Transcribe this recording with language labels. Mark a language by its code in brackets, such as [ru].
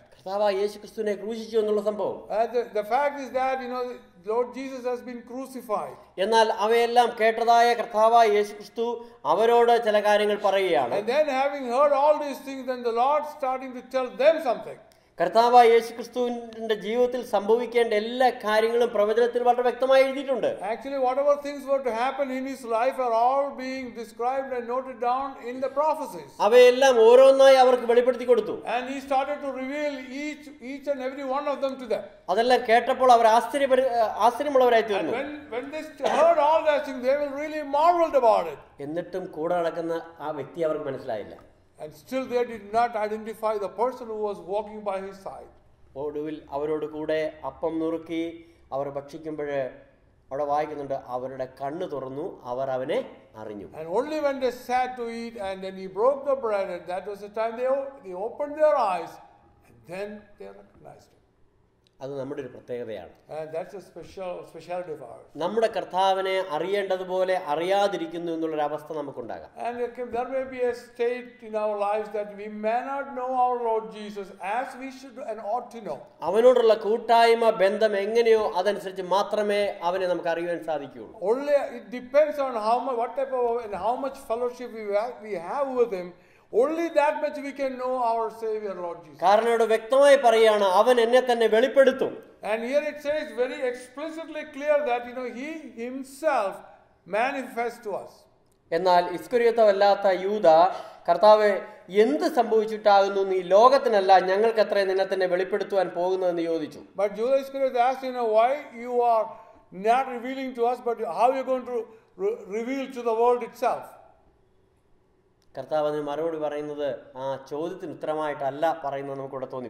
[ml] കർത്താവായ യേശുക്രിസ്തുവിനെ ക്രൂശിച്ചു എന്നുള്ള സംഭവം. [en] The fact is that, you know, Lord Jesus has been crucified. [ml] എന്നാൽ അവയെല്ലാം കേട്ടതായ കർത്താവായ യേശുക്രിസ്തു അവരോട് ചില കാര്യങ്ങൾ പറയുകയാണ്. [en] And then having heard all these things, then the Lord starting to tell them something. [ml] കർത്താവായ യേശുക്രിസ്തുവിന്റെ ജീവിതത്തിൽ സംഭവിക്കേണ്ട എല്ലാ കാര്യങ്ങളും പ്രവചനത്തിൽ വളരെ വ്യക്തമായി എഴുതിയിട്ടുണ്ട്. [en] Actually, whatever things were to happen in his life are all being described and noted down in the prophecies. [ml] അവയെല്ലാം ഓരോന്നായി അവർക്ക് വെളിപ്പെടുത്തി കൊടുത്തു. [en] And he started to reveal each and every one of them to them. [ml] അതെല്ലാം കേട്ടപ്പോൾ അവർ ആശ്ചര്യമുള്ളവരായി തീർന്നു. [en] When they heard all that thing, they were really marveled about it. [ml] എന്നിട്ടും കൂടെ നടക്കുന്ന ആ വ്യക്തി അവർക്ക് മനസ്സിലായില്ല. [en] And still they did not identify the person who was walking by his side. [ml] ഓടുവിൽ അവരോട് കൂടെ അപ്പം നുറുക്കി അവർ ഭക്ഷിക്കുമ്പോൾ അവിടെ വായിക്കുന്നുണ്ട് അവരുടെ കണ്ണ് തുറന്നു അവർ അവനെ അറിഞ്ഞു. [en] And only when they sat to eat and then he broke the bread and that was the time they opened their eyes and then they recognized him. [ml] അത് നമ്മുടെ ഒരു പ്രത്യേകതയാണ്. [en] And that's a speciality of ours. [ml] നമ്മുടെ കർത്താവിനെ അറിയേണ്ടതുപോലെ അറിയാതിരിക്കുന്നു എന്നുള്ള ഒരു അവസ്ഥ നമുക്കുണ്ടാകാം. [en] And there may be a state in our lives that we may not know our Lord Jesus as we should and ought to know. [ml] അവനോടുള്ള കൂട്ടായ്മ ബന്ധം എങ്ങനെയോ അതനുസരിച്ച് മാത്രമേ അവനെ നമുക്ക് അറിയുവാൻ സാധിക്കുകയുള്ളൂ. [en] Only it depends on how much fellowship we have with him. Only that much we can know our savior Lord Jesus. [ml] കാരണോട് വ്യക്തമായി പറയാണ് അവൻ എന്നെ തന്നെ വെളിപ്പെടുത്തു. [en] And here it says very explicitly clear that you know he himself manifests to us. [ml] എന്നാൽ ഇസ്കരിയോത്തവല്ലാത്ത യൂദാ കർത്താവേ എന്ത് സംഭവിച്ചിട്ടാകുന്നു നീ ലോകത്തിനല്ല ഞങ്ങൾക്കത്രേ നിന്നെ തന്നെ വെളിപ്പെടുത്തുവാൻ പോകുന്നതെന്ന് ചോദിച്ചു. [en] But Judas Iscariot asked you know why you are not revealing to us but how you're going to reveal to the world itself. [ml] കർത്താവ് അതിന് മറുപടി പറയുന്നത് ആ ചോദ്യത്തിന് ഉത്തരമായിട്ടല്ല പറയുന്നത് നമുക്ക് ഇവിടെ